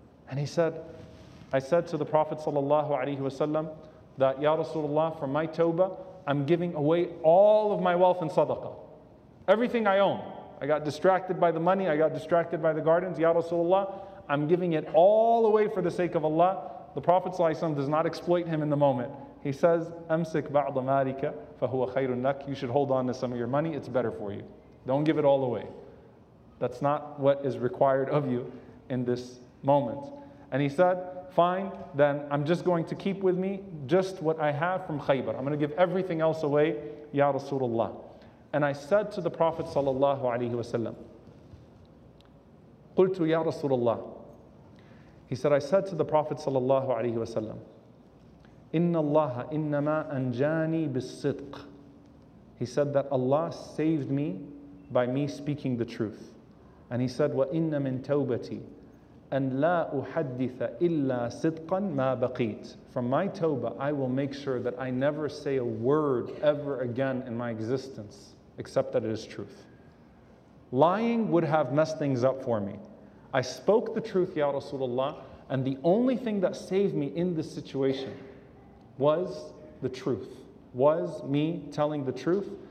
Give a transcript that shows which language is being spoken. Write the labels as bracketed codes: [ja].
[en] And he said, I said to the Prophet sallallahu alayhi wa sallam, that Ya Rasulullah, for my tawbah, I'm giving away all of my wealth in sadaqah. Everything I own. I got distracted by the money, I got distracted by the gardens. Ya Rasulullah, I'm giving it all away for the sake of Allah. The Prophet ﷺ does not exploit him in the moment. He says, [ar] أَمْسِكْ بَعْضَ مَالِكَ فَهُوَ خَيْرٌ لَكَ. [en] You should hold on to some of your money, it's better for you. Don't give it all away. That's not what is required of you in this moment. And he said, fine, then I'm just going to keep with me just what I have from Khaybar. I'm going to give everything else away, Ya Rasulullah. And I said to the Prophet sallallahu alayhi wa sallam, [ar] قلت يا رسول الله. [en] He said, I said to the Prophet sallallahu alayhi wa sallam, [ar] إِنَّ اللَّهَ إِنَّمَا أَنْجَانِي بِالصِّدْقِ. [en] He said that Allah saved me by me speaking the truth. And he said, [ar] وَإِنَّ مِنْ تَوْبَتِي أَنْ لَا أُحَدِّثَ إِلَّا صِدْقًا مَا بَقِيتْ. [en] From my tawbah, I will make sure that I never say a word ever again in my existence, except that it is truth. Lying would have messed things up for me. I spoke the truth, Ya Rasulullah, and the only thing that saved me in this situation was the truth, was me telling the truth.